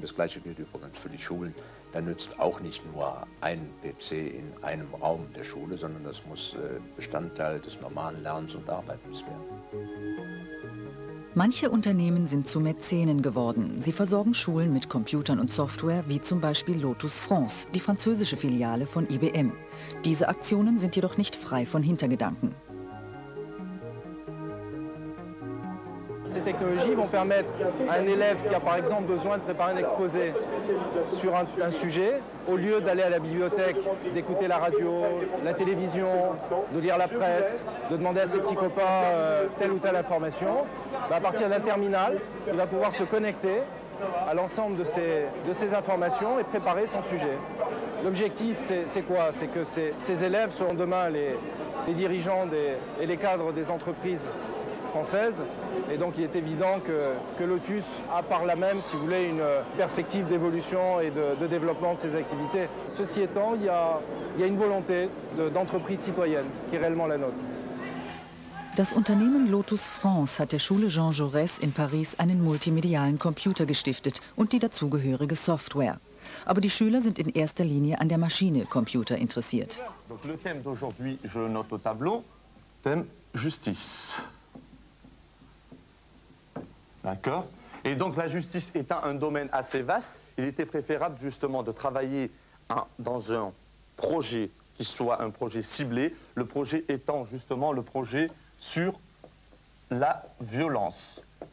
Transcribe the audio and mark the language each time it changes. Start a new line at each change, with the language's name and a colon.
German: Das Gleiche gilt übrigens für die Schulen. Da nützt auch nicht nur ein PC in einem Raum der Schule, sondern das muss Bestandteil des normalen Lernens und Arbeitens werden. Manche Unternehmen sind zu Mäzenen geworden. Sie versorgen Schulen mit Computern und Software, wie zum Beispiel Lotus France, die französische Filiale von IBM. Diese Aktionen sind jedoch nicht frei von Hintergedanken.
French: Ces technologies vont permettre à un élève qui a par exemple besoin de préparer un exposé sur un sujet, au lieu d'aller à la bibliothèque, d'écouter la radio, la télévision, de lire la presse, de demander à ses petits copains telle ou telle information, bah à partir d'un terminal, il va pouvoir se connecter à l'ensemble de ces informations et préparer son sujet. L'objectif, c'est quoi? C'est que ces élèves seront demain les dirigeants et les cadres des entreprises françaises. Et donc il est évident que Lotus a par là même, si vous voulez, une perspective d'évolution et de développement de ses activités. Ceci étant, il y a une volonté d'entreprise citoyenne qui est réellement la nôtre.
German: Das Unternehmen Lotus France hat der Schule Jean Jaurès in Paris einen multimedialen Computer gestiftet und die dazugehörige Software. Aber die Schüler sind in erster Linie an der Maschine Computer interessiert.
French: Donc, le thème d'aujourd'hui, je note au tableau, thème justice. D'accord. Et donc la justice étant un domaine assez vaste, il était préférable justement de travailler dans un projet qui soit un projet ciblé, le projet étant justement le projet sur la violence.